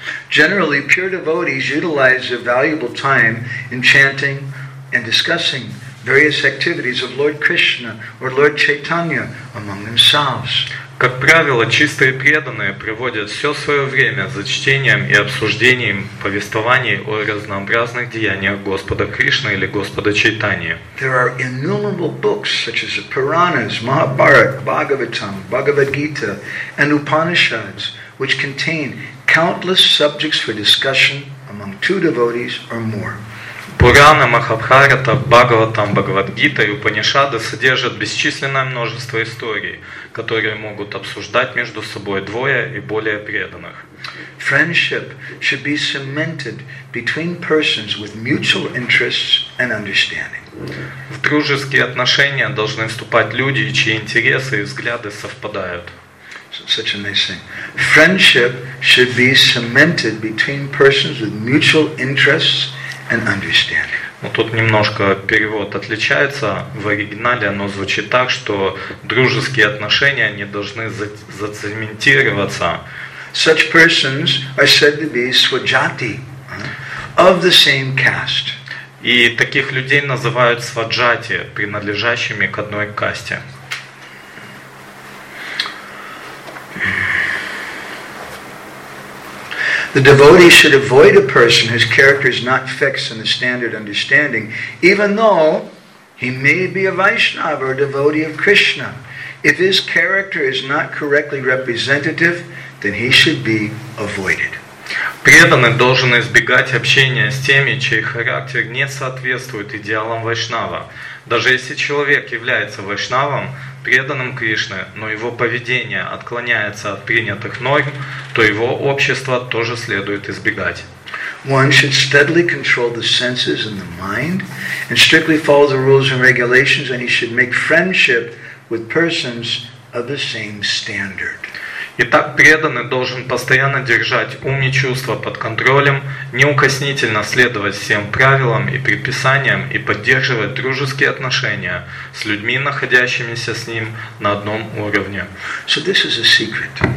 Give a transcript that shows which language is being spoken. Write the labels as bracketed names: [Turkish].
[English] Generally, pure devotees utilize their valuable time in chanting and discussing various activities of Lord Krishna or Lord Chaitanya among themselves. [Russian] Как правило, чистые преданные проводят все свое время за чтением и обсуждением повествований о разнообразных деяниях Господа Кришны или Господа Чайтаньи. [English] There are innumerable books such as the Puranas, Mahabharata, Bhagavatam, Bhagavad Gita, and Upanishads, which contain countless subjects for discussion among two devotees or more. [Russian] Пурана, Махабхарата, Бхагаватам, Бхагавадгита и Упанишады содержат бесчисленное множество историй, которые могут обсуждать между собой двое и более преданных. [English] Friendship should be cemented between persons with mutual interests and understanding. [Russian] В дружеские отношения должны вступать люди, чьи интересы и взгляды совпадают. [English] Such a nice thing. Friendship should be cemented between persons with mutual interests and understanding. [Russian] Ну, тут немножко перевод отличается в оригинале, оно звучит так, что дружеские отношения они должны зацементироваться. [English] Such persons are said to be swajati, of the same caste. [Russian] И таких людей называют сваджати, принадлежащими к одной касте. [English] The devotee should avoid a person whose character is not fixed in the standard understanding, even though he may be a Vaishnava or a devotee of Krishna. If his character is not correctly representative, then he should be avoided. [Russian] Преданный должен избегать общения с теми, чей характер не соответствует идеалам Вайшнава. Даже если человек является Вайшнавом, преданным Кришне, но его поведение отклоняется от принятых норм, то его общество тоже следует избегать. [English] One should steadily control the senses and the mind, and strictly follow the rules and regulations, and he should make friendship with persons of the same standard. [Russian] Итак, преданный должен постоянно держать ум и чувства под контролем, неукоснительно следовать всем правилам и предписаниям и поддерживать дружеские отношения с людьми, находящимися с ним на одном уровне. [English] So this is a secret.